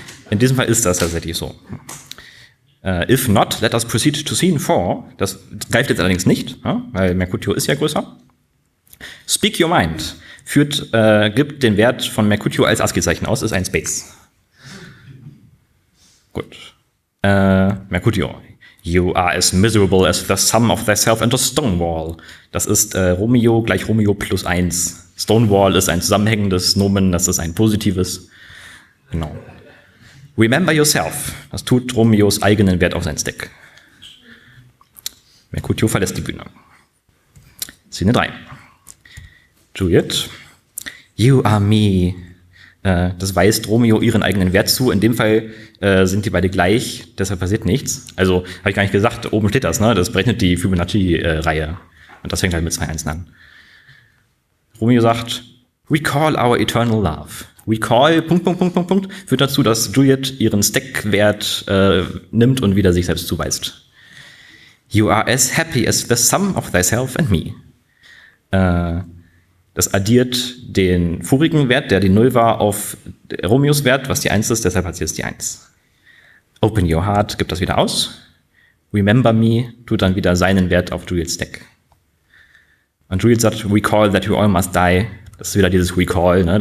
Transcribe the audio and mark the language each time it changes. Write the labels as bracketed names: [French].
[German] In diesem Fall ist das tatsächlich so. [English] If not, let us proceed to scene 4. [German] Das greift jetzt allerdings nicht, ne? Weil Mercutio ist ja größer. [English] Speak your mind. [German] Gibt den Wert von Mercutio als ASCII-Zeichen aus, ist ein Space. Gut. Mercutio. [English] You are as miserable as the sum of thyself and a stonewall. [German] Das ist Romeo gleich Romeo plus 1. Stonewall ist ein zusammenhängendes Nomen, das ist ein positives. Genau. [English] Remember yourself. [German] Das tut Romeos eigenen Wert auf sein Stick. Mercutio verlässt die Bühne. Szene 3. Juliet. [English] You are me. [German] Das weist Romeo ihren eigenen Wert zu. In dem Fall sind die beide gleich, deshalb passiert nichts. Also habe ich gar nicht gesagt, oben steht das, ne? Das berechnet die Fibonacci-Reihe. Und das fängt halt mit 2-1 an. Romeo sagt, [English] recall our eternal love. [German] Recall, ... führt dazu, dass Juliet ihren Stack-Wert nimmt und wieder sich selbst zuweist. [English] You are as happy as the sum of thyself and me. [German] Das addiert den vorigen Wert, der die 0 war, auf Romeos Wert, was die 1 ist, deshalb hat sie jetzt die 1. [English] Open your heart, [German] gibt das wieder aus. [English] Remember me, [German] tut dann wieder seinen Wert auf Juliets Deck. Und Juliet sagt, [English] recall that you all must die. [German] Das ist wieder dieses Recall, ne?